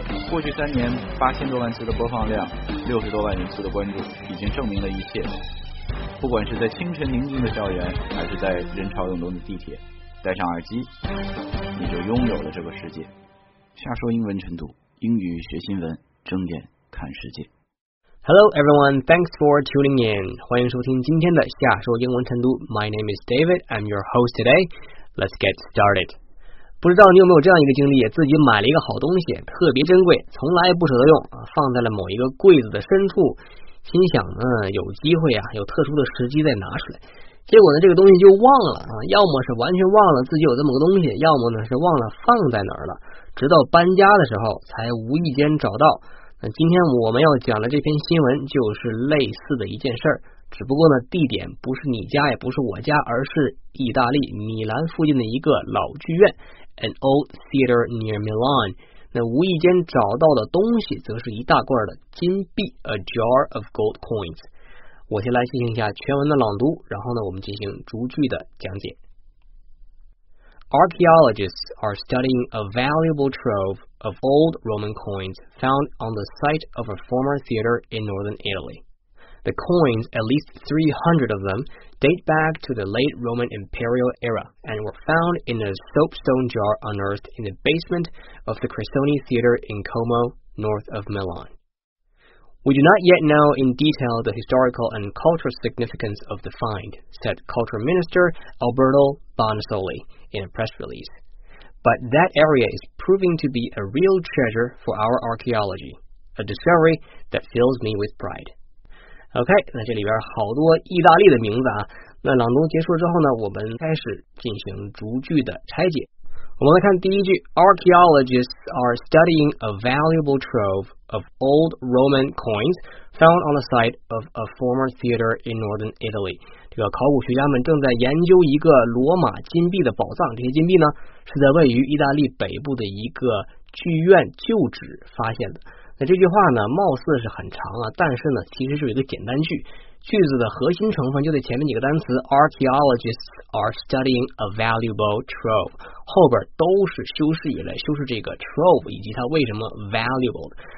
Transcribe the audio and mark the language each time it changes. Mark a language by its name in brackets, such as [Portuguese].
[Chinese] 过去三年8000多万次的播放量，60多万人次的关注，已经证明了一切。不管是在清晨宁静的校园，还是在人潮涌动的地铁，戴上耳机，你就拥有了这个世界。下说英文晨读，英语学新闻，睁眼看世界。 [English] Hello everyone, thanks for tuning in. [Chinese] 欢迎收听今天的下说英文晨读。 [English] My name is David, I'm your host today. Let's get started. [Chinese] 不知道你有没有这样一个经历，自己买了一个好东西，特别珍贵，从来不舍得用，放在了某一个柜子的深处，心想呢，有机会啊，有特殊的时机再拿出来。结果呢，这个东西就忘了，要么是完全忘了自己有这么个东西，要么呢是忘了放在哪儿了，直到搬家的时候才无意间找到。今天我们要讲的这篇新闻就是类似的一件事儿，只不过呢，地点不是你家，也不是我家，而是意大利米兰附近的一个老剧院 ， [English] an old theater near Milan。 [Chinese] 那无意间找到的东西，则是一大罐的金币 ， [English] a jar of gold coins。 [Chinese] 我先来进行一下全文的朗读，然后呢，我们进行逐句的讲解。 [English] Archaeologists are studying a valuable trove of old Roman coins found on the site of a former theater in northern Italy. The coins, at least 300 of them, date back to the late Roman imperial era and were found in a soapstone jar unearthed in the basement of the Cressoni Theater in Como, north of Milan. We do not yet know in detail the historical and cultural significance of the find, said Culture Minister Alberto Bonasoli. In a press release. But that area is proving to be a real treasure for our archaeology, a discovery that fills me with pride. [Chinese] OK, 那这里边好多意大利的名字啊。那朗读结束之后呢，我们开始进行逐句的拆解。我们来看第一句， [English] Archaeologists are studying a valuable trove of old Roman coins found on the site of a former theater in northern Italy. [Chinese] 这个考古学家们正在研究一个罗马金币的宝藏，这些金币呢是在位于意大利北部的一个剧院旧址发现的。那这句话呢貌似是很长啊，但是呢其实是一个简单句，句子的核心成分就在前面几个单词 [English] Archaeologists are studying a valuable trove， [Chinese] 后边都是修饰语来修饰这个 trove 以及它为什么 valuable。